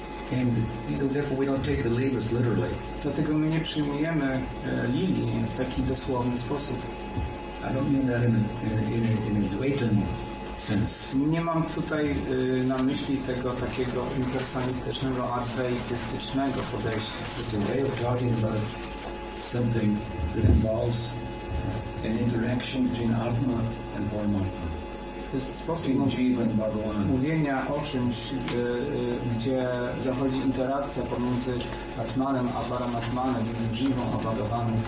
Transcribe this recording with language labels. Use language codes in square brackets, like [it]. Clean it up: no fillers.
[en] And you know, therefore we don't take the leaves literally. [pl] Dlatego my nie przyjmujemy lilii w taki dosłowny sposób. [en] I don't mean that in a Dwaitan sense. [pl] Nie mam tutaj na myśli tego takiego impersonistycznego, adwejtystycznego podejścia. [en] It's a way of talking about something that involves an interaction between Atma and Paramatma. [pl] To jest sposób mówienia o czymś, gdzie zachodzi interakcja pomiędzy Atmanem a Paramatmanem, między Jivą a Bhagavanem,